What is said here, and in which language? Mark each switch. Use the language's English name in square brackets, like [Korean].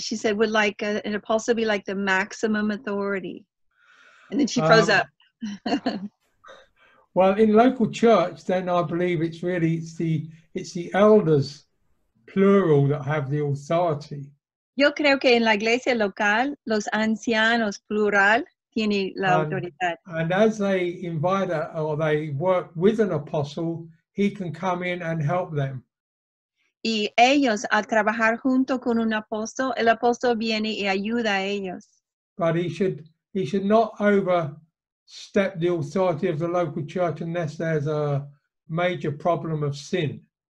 [English] She said, would like an apostle be like the maximum authority? And then she froze up. Well, in local church, then I believe it's really it's the elders, plural, that have the authority. [Spanish] Yo creo que en la iglesia local, los ancianos, plural, tienen la autoridad. [English] And as they invite or they work with an apostle, he can come in and help them. [Spanish] Y ellos, al trabajar junto con un apóstol, el apóstol viene y ayuda a ellos. [English] But he should not overstep the authority of the local church unless there's a major problem of sin.